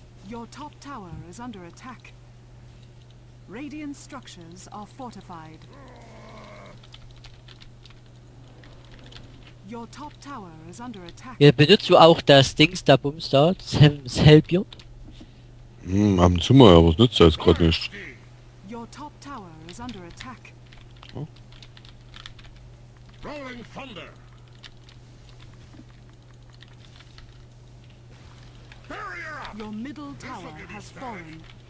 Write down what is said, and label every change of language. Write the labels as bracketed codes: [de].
[en] Your top tower is under attack. Radiant structures are fortified. Your top tower is under attack. [de] Ja, benutzt du auch das Dings da, Boomstar? Das Helpion? Am Zimmer, aber was nützt das gerade nicht? [en] Your top tower is under attack. Oh. Rolling Thunder! Your middle tower has fallen.